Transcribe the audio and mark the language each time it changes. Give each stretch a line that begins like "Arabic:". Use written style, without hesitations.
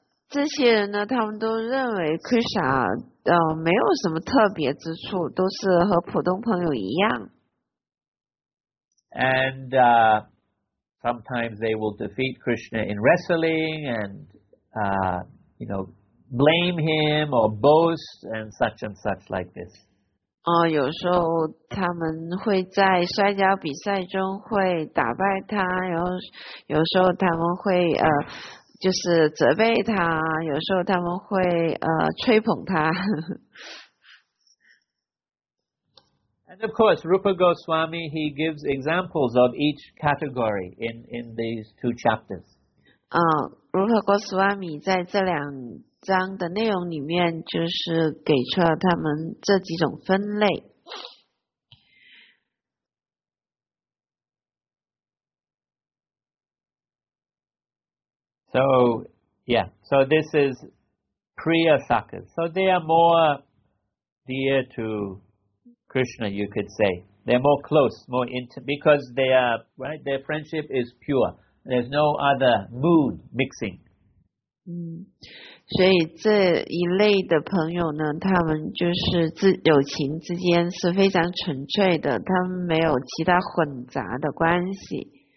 Chinese: 这些人呢，他们都认为 Krishna 没有什么特别之处，都是和普通朋友一样。
English: And sometimes they will defeat Krishna in wrestling and, you know, blame him or boast and such like this.
Chinese: 有时候他们会在摔跤比赛中会打败他，然后有时候他们会就是责备他，有时候他们会吹捧他。
English: And of course, Rupa Goswami, he gives examples of each category in these two chapters.
Chinese: Rupa Goswami 在这两章的内容里面就是给出了他们这几种分类。
English: So, yeah, so this is Priya Sakas. So they are more dear to... Krishna, you could say. They're more close, more intimate, because they are, right, their friendship is pure. There's no other mood mixing.
Chinese: 所以这一类的朋友呢，他们就是友情之间是非常纯粹的，他们没有其他混杂的关系。